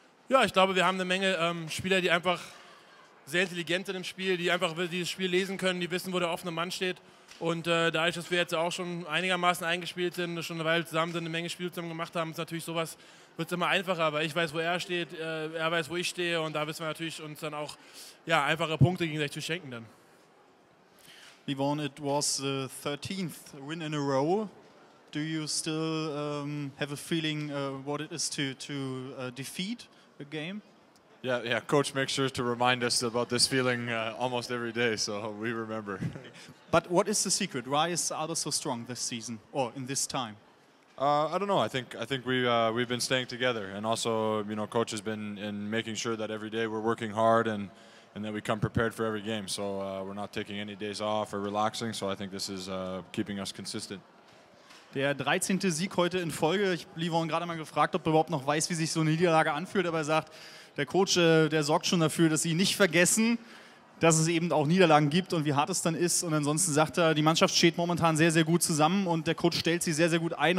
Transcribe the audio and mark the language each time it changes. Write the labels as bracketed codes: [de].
[de] Ja, ich glaube, wir haben eine Menge Spieler, die einfach sehr intelligent sind im Spiel, die einfach dieses Spiel lesen können, die wissen, wo der offene Mann steht. Und dadurch, dass wir jetzt auch schon einigermaßen eingespielt sind, schon eine Weile zusammen sind, eine Menge Spiele zusammen gemacht haben, ist natürlich sowas, wird es immer einfacher. Aber ich weiß, wo er steht, er weiß, wo ich stehe. Und da wissen wir natürlich uns dann auch ja, einfache Punkte gegenseitig zu schenken dann. [en] Livon, it was the 13th win in a row. Do you still have a feeling what it is to defeat a game? Yeah, coach makes sure to remind us about this feeling almost every day, so we remember. But what is the secret? Why is Aldo so strong this season or in this time? I don't know. I think we've been staying together, and also, you know, coach has been in making sure that every day we're working hard and that we come prepared for every game. So we're not taking any days off or relaxing, so I think this is keeping us consistent. [de] Der 13. Sieg heute in Folge. Ich habe Livon gerade mal gefragt, ob er überhaupt noch weiß, wie sich so eine Niederlage anfühlt. Aber er sagt, der Coach, der sorgt schon dafür, dass sie nicht vergessen, dass es eben auch Niederlagen gibt und wie hart es dann ist. Und ansonsten sagt er, die Mannschaft steht momentan sehr, sehr gut zusammen und der Coach stellt sie sehr, sehr gut ein.